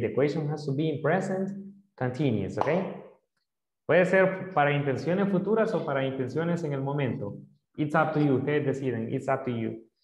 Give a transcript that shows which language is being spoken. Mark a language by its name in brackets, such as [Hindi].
[English] The question has to be in present continuous, okay? [Spanish] Puede ser para intenciones futuras o para intenciones en el momento. [English] It's up to you, [Spanish] ustedes deciden, [English] it's up to you.